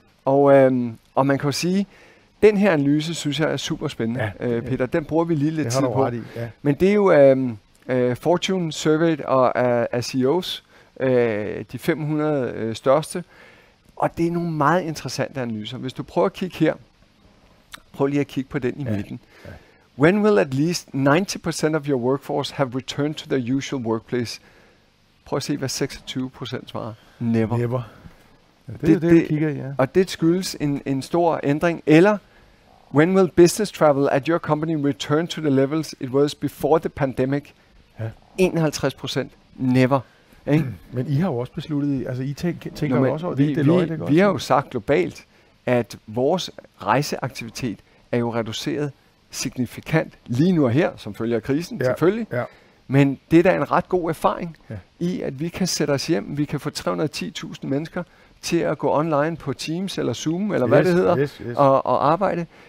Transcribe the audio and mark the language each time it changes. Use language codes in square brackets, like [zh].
[da] Og man kan jo sige... Den her analyse, synes jeg, er super spændende, Peter. Den bruger vi lige lidt tid på. Ja. Men det er jo Fortune Survey og af CEOs, de 500 største. Og det er nogle meget interessante analyser. Hvis du prøver at kigge her, prøv lige at kigge på den i midten. [en] When will at least 90% of your workforce have returned to their usual workplace? [da] Prøv at se, hvad 26% svarer. Never. [en] Never. [da] Ja, det er det, jeg kigger i. Ja. Og det skyldes en stor ændring. Eller... [en] When will business travel at your company return to the levels it was before the pandemic? [da] Ja. 51% never. Ikke? Men I har jo også besluttet, altså I tænker jo også over det. Vi har jo sagt globalt, at vores rejseaktivitet er jo reduceret signifikant lige nu og her, som følger krisen selvfølgelig. Ja. Men det er da en ret god erfaring i, at vi kan sætte os hjem, vi kan få 310.000 mennesker, til at gå online på Teams eller Zoom eller hvad det hedder, og arbejde.